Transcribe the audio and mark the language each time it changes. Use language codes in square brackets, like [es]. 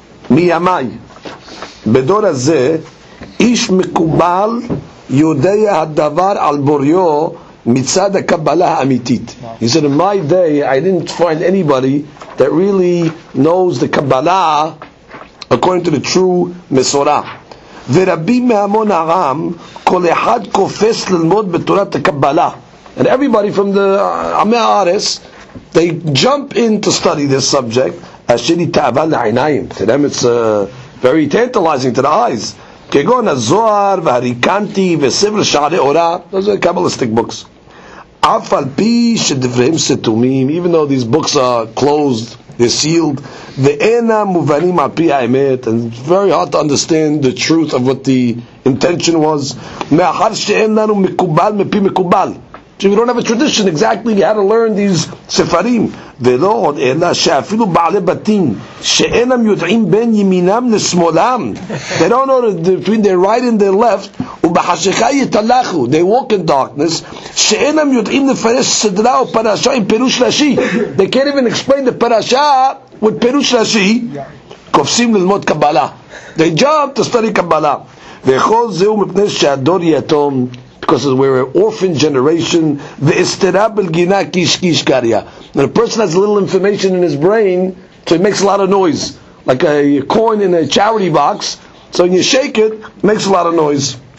[he] מימי בדור הזה איש מקובל יודע הדבר על בוריו מצד הקבלה האמיתית. [en] He said, in my day I didn't find anybody that really knows the Kabbalah according to the true Mesorah. [he] ורבים מהמון העם כל אחד קופץ ללמוד בתורת הקבלה. [en] And everybody from the Ami Ares, they jump in to study this subject. [he] אשר התאווה לעיניים. [en] To them it's very tantalizing to the eyes. [he] כגון הזוהר והריקנטי וספר שערי אורה. [en] Those are Kabbalistic books. [he] אף על פי שדבריהם סתומים, [en] even though these books are closed, they're sealed, [he] ואינם מובנים על פי האמת, [en] and it's very hard to understand the truth of what the intention was, [he] מאחר שאין לנו מקובל מפי מקובל. [en] So we don't have a tradition exactly how to learn these sefarim. [he] ולא עוד אלא שאפילו בעלי בתים שאינם יודעים בין ימינם לשמאלם, [en] they don't know between their right and their left, [he] ובחשיכה יתלחו, [en] they walk in darkness, [he] שאינם יודעים לפרש סדרה או פרשה עם פירוש רשי, [en] they can't even explain the parasha with פירוש רשי, [he] קופסים ללמוד קבלה, [en] they jump to study קבלה. [he] וכל זהו מפני שהדור יתום, [en] because we're an orphan generation, and a person has little information in his brain, so it makes a lot of noise, like a coin in a charity box, so when you shake it, it makes a lot of noise.